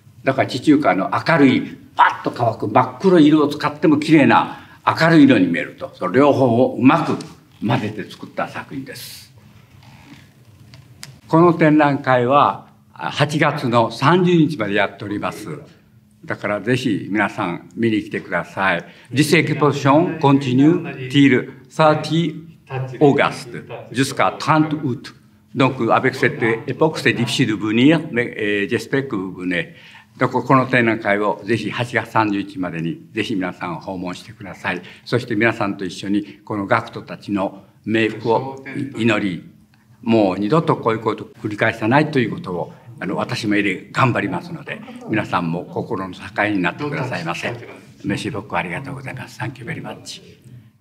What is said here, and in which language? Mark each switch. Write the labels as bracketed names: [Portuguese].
[Japanese] だから地中海の明るいパッと乾く真っ黒い色を使っても綺麗な明るい色に見えると、その両方をうまく混ぜて作った作品です。この展覧会は8月の30日までやっております。だからぜひ皆さん見に来てください。 [English] This exhibition continues till 30 August [French] jusqu'à 30 août donc avec cette époque c'est difficile de venir mais j'espère que vous venez。 [Japanese] この展覧会をぜひ8月30日までにぜひ皆さん訪問してください。そして皆さんと一緒にこの学徒たちの冥福を祈り、もう二度とこういうことを繰り返さないということを、あの私も入れ頑張りますので、皆さんも心の境になってくださいませ。メシボックありがとうございます。 [English] Thank you very much。